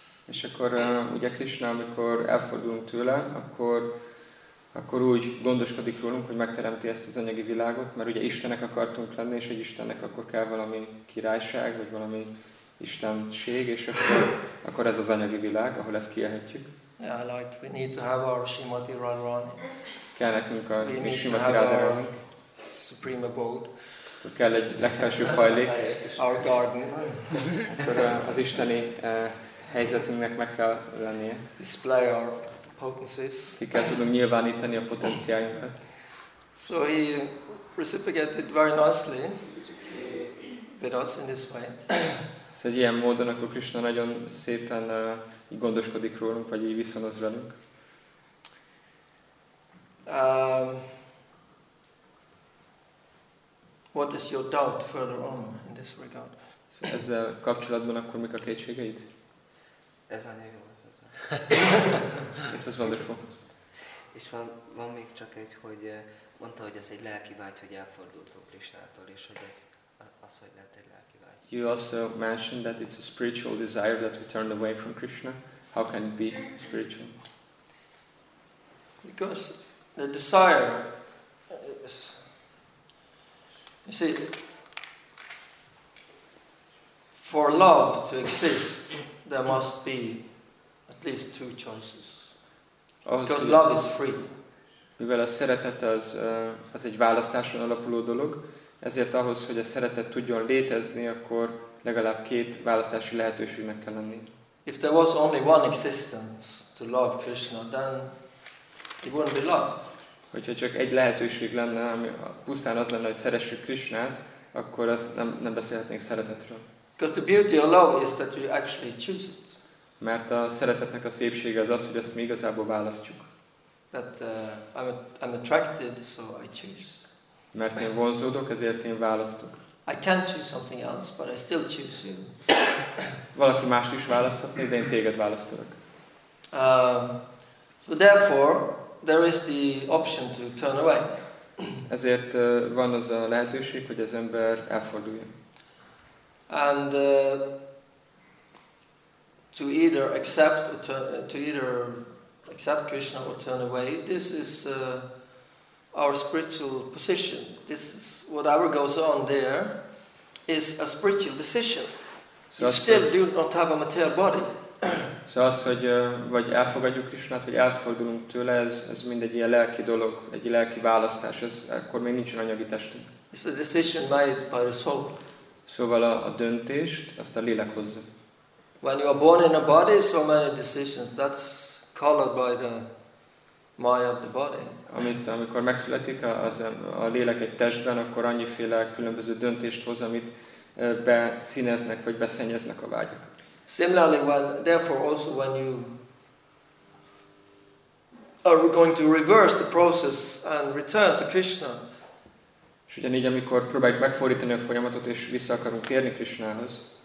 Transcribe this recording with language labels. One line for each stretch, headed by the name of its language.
Hungarian: És akkor ugye Krishna, amikor elfordulunk tőle, akkor úgy gondoskodik rólunk, hogy megteremti ezt az anyagi világot, mert ugye Istenek akartunk lenni, és egy Istennek akkor kell valami királyság, vagy valami istenség, és akkor ez az anyagi világ, ahol ezt kielhetjük.
English: Yeah, like we need to have our Srimati Radharani.
Hungarian: Kell nekünk a Srimati Radharani.
English: Supreme abode.
Hungarian: Akkor kell egy legfelsőbb hajlék.
English: Our garden.
Hungarian: Akkor az isteni helyzetünknek meg kell lennie.
English: Display our potencies.
Hungarian: Ki kell tudunk nyilvánítani a potenciáinkat.
English: So he reciprocated very nicely with us in this way.
Hungarian: Szóval ilyen módon akkor Krishna nagyon szépen így gondoskodik rólunk, vagy így viszonoz velünk.
English: What is your doubt further on in this regard?
Hungarian: So ezzel kapcsolatban akkor mik a kétségeid? Ez a nagyon jó.
English: It was wonderful.
Hungarian: És van még csak egy, hogy mondta, hogy ez egy lelki vágy, hogy elfordultok Krisnától, és hogy ez az, hogy lehet egy lelki vágy.
English: You also mentioned that it's a spiritual desire that we turned away from Krishna. How can it be spiritual? Because the desire is, you see, for love to exist, there must be at least two choices. Because love is free.
Hungarian: Mivel a szeretet az egy választáson alapuló dolog, ezért ahhoz, hogy a szeretet tudjon létezni, akkor legalább két választási lehetőségnek kell lenni.
English: If there was only one existence to love Krishna, then it wouldn't be love.
Hungarian: Hogyha csak egy lehetőség lenne, ami pusztán az lenne, hogy szeressük Krishnát, akkor az nem beszélhetnénk szeretetről.
English: Because the beauty of love is that you actually choose it.
Hungarian: Mert a szeretetnek a szépsége az, hogy ezt mi igazából választjuk.
English: That I'm attracted, so I choose.
Hungarian: Mert én vonzódok, ezért én választok.
English: I can choose something else, but I still choose you.
Hungarian: Valaki mást is választhatni, de én téged választok.
English: So therefore, there is the option to turn away.
Hungarian: Ezért van az a lehetőség, hogy az ember elforduljon.
English: And to either accept or to either accept Krishna or turn away. This is our spiritual position. This is whatever goes on there is a spiritual decision. So you still do not have a material body.
Hungarian: So az, hogy vagy elfogadjuk Krishnát, vagy elfordulunk tőle, ez mind egy ilyen lelki dolog, egy lelki választás, ez akkor még nincsen anyagi testünk.
English: It's a decision made by the soul.
Hungarian: Szóval a döntést, azt a lélek hozza.
English: When you are born in a body, so many decisions, that's colored by the maya of the body.
Hungarian: Amikor megszületik a lélek egy testben, akkor annyiféle különböző döntést hoz, amit beszíneznek, vagy beszennyeznek a vágyak.
English: Similarly, therefore also when you are going to reverse the process and return to Krishna.
Hungarian: És ugyanígy, amikor próbáljuk megfordítani a folyamatot, és vissza akarunk térni Krishnához.